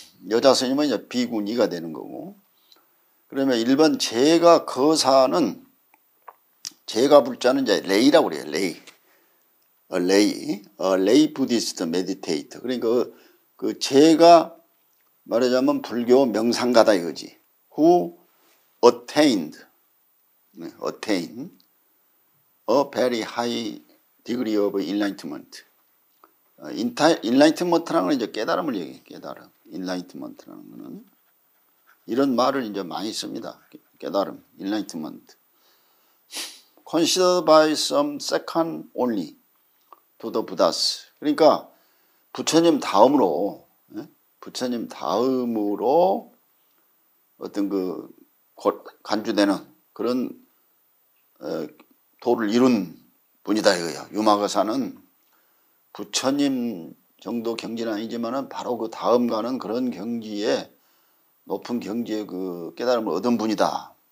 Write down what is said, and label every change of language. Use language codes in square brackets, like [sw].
[ko] 여자 스님은 이제 비구니가 되는 거고. 그러면 일반 제가 거사는 제가 불자는 이제 레이라고 그래요. 레이. [en] 레이 부디스트 메디테이터. [ko] 그러니까 그 제가 말하자면 불교 명상가다 이거지. [en] Who attained, a very high degree of enlightenment. [ko] Enlightenment라는 건 이제 깨달음을 얘기해. 깨달음. Enlightenment라는 거는 이런 말을 이제 많이 씁니다. 깨달음. Enlightenment. [en] Considered by some second only to the Buddhas. [ko] 그러니까 부처님 다음으로. 부처님 다음으로 어떤 그 간주되는 그런 도를 이룬 분이다 이거예요. 유마거사는 부처님 정도 경지는 아니지만은 바로 그 다음 가는 그런 경지에 높은 경지에 그 깨달음을 얻은 분이다.